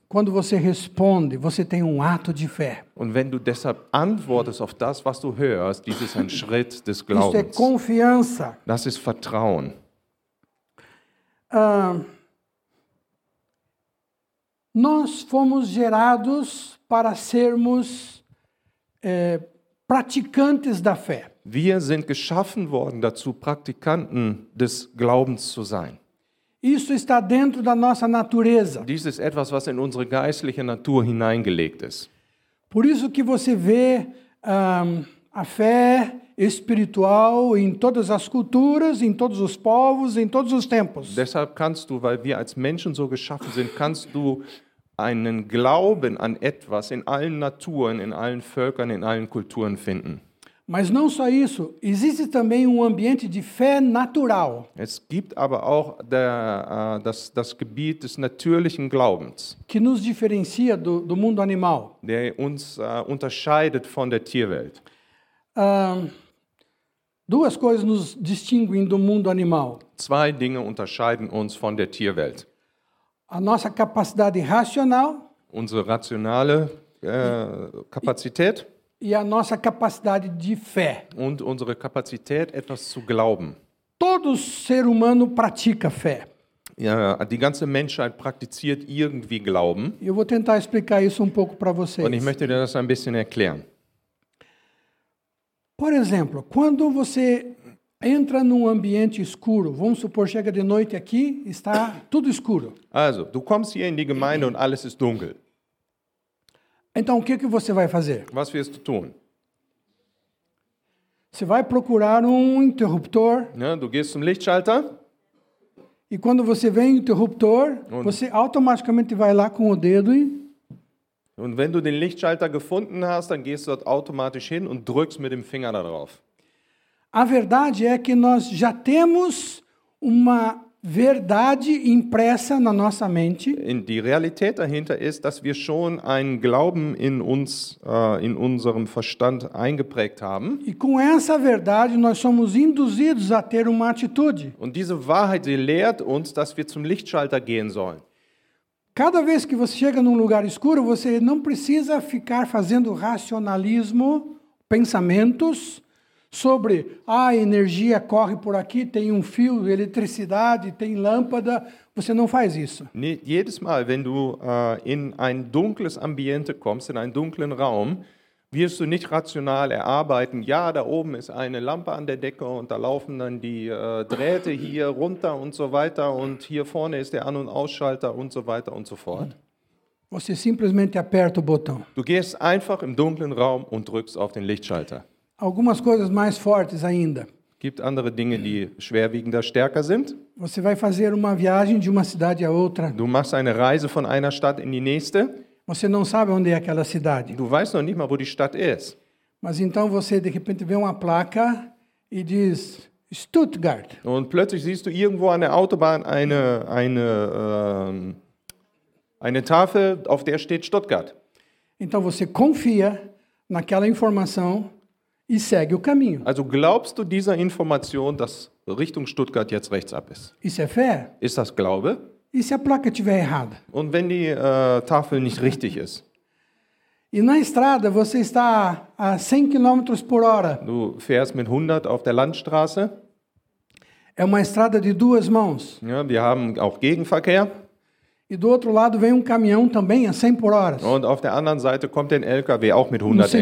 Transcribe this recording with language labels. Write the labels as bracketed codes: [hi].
[pt] Quando você responde, você tem ato de fé. [de] Und wenn du deshalb antwortest auf das, was du hörst, dies ist ein Schritt des Glaubens. [pt] Isso é confiança. [de] Das ist Vertrauen. [pt] Nós fomos gerados para sermos [de] Praktikanten der Fe. Wir sind geschaffen worden dazu, Praktikanten des Glaubens zu sein. [pt] Isso está dentro da nossa natureza. [de] Dies ist etwas, was in unsere geistliche Natur hineingelegt ist. [pt] Por isso que você vê a fé espiritual em todas as culturas, em todos os povos, em todos os tempos. [de] Deshalb kannst du, weil wir als Menschen so geschaffen sind, kannst du einen Glauben an etwas in allen Naturen, in allen Völkern, in allen Kulturen finden. [pt] Mas não só isso, existe também ambiente de fé natural. [de] Es gibt aber auch das Gebiet des natürlichen Glaubens, [pt] que nos diferencia do mundo animal. [de] Der uns unterscheidet von der Tierwelt. [pt] Duas coisas nos distinguem do mundo animal. [de] Zwei Dinge unterscheiden uns von der Tierwelt. [pt] A nossa capacidade racional. [de] Unsere rationale Kapazität. [pt] E a nossa capacidade de fé. [de] Und unsere Kapazität, etwas zu glauben. [pt] Todo ser humano pratica fé. [de] Ja, die ganze Menschheit praktiziert irgendwie Glauben. [pt] Eu vou tentar explicar isso pouco para vocês. [de] Und ich möchte dir das ein bisschen erklären. [pt] Por exemplo, quando você entra num ambiente escuro, vamos supor, chega de noite aqui, está tudo escuro. [de] Also, du kommst hier in die Gemeinde und alles ist dunkel. [pt] Então, o que você vai fazer? [de] Was wirst du tun? [pt] Você vai procurar interruptor. [de] Ja, du gehst zum Lichtschalter. [pt] E quando você vê interruptor, und você automaticamente vai lá com o dedo e... [de] Und wenn du den Lichtschalter gefunden hast, dann gehst du dort automatisch hin und drückst mit dem Finger da drauf. [pt] A verdade é que nós já temos uma verdade impressa na nossa mente. [de] Die Realität dahinter ist, dass wir schon einen Glauben in uns, in unserem Verstand eingeprägt haben. [pt] E com essa verdade nós somos induzidos a ter uma atitude. [de] Und diese Wahrheit, sie lehrt uns, dass wir zum Lichtschalter gehen sollen. [pt] Cada vez que você chega num lugar escuro, você não precisa ficar fazendo racionalismo, pensamentos sobre a energia corre por aqui, tem fio, eletricidade, tem lâmpada, você não faz isso. [de] Jedes Mal, wenn du in ein dunkles Ambiente kommst, in einen dunklen Raum, wirst du nicht rational erarbeiten, ja, da oben ist eine Lampe an der Decke und da laufen dann die Drähte hier runter und so weiter und hier vorne ist der An- und Ausschalter und so weiter und so fort. [pt] Você simplesmente aperta o botão. [de] Du gehst einfach im dunklen Raum und drückst auf den Lichtschalter. [pt] Algumas coisas mais fortes ainda. [de] Gibt andere Dinge, die schwerwiegender, stärker sind? [pt] Você vai fazer uma viagem de uma cidade a outra. [de] Du machst eine Reise von einer Stadt in die nächste. [pt] Você não sabe onde é aquela cidade. [de] Du weißt noch nicht mal, wo die Stadt ist. [pt] Mas então você de repente vê uma placa e diz Stuttgart. [de] Und plötzlich siehst du irgendwo an der Autobahn eine Tafel, auf der steht Stuttgart. [pt] Então você confia naquela informação e segue o caminho. [de] Also glaubst du dieser Information, dass Richtung Stuttgart jetzt rechts ab ist? [pt] Isso é fé? [de] Ist das Glaube? [pt] E se a placa estiver errada? [de] Und wenn die Tafel nicht richtig ist? [pt] E na estrada você está a 100 km por hora. [de] Du fährst mit 100 auf der Landstraße. [pt] É uma estrada de duas mãos. [de] Ja, wir haben auch Gegenverkehr. [pt] E do outro lado vem caminhão também a 100 por hora. [de] Und auf der anderen Seite kommt ein LKW auch mit 100 entgegen.